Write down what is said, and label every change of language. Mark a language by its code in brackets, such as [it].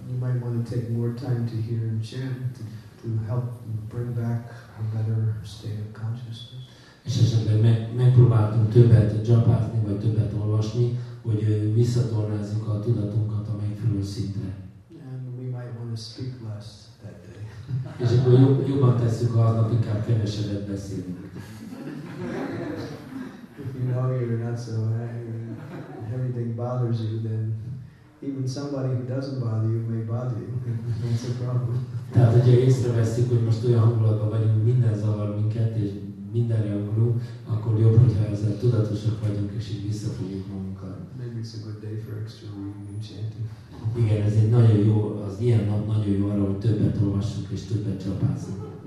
[en] You might want to take more time to hear and chant to help bring back a better state of consciousness. [hu] És esetleg megpróbáltunk többet japázni, vagy többet olvasni, hogy visszatornázzuk a tudatunkat a megfelelő szintre. [en] And we might want to speak less that day. [hu] És akkor jobban tesszük az nap, inkább kevesebbet beszélünk. [en] If you know you're not so angry, everything bothers you, then even somebody who doesn't bother you may bother you. That's a problem. [hu] Tehát, hogyha észreveszik, hogy most olyan hangulatban vagyunk, minden zavar minket, és minden reagálunk, akkor jobb, hogyha ezzel tudatosak vagyunk, és így visszafogjuk magunkat. [en] Maybe it's a good day for extra reading and chanting. [hu] Igen, ez egy nagyon jó, az ilyen nap nagyon jó arra, hogy többet olvassunk és többet csapázzunk.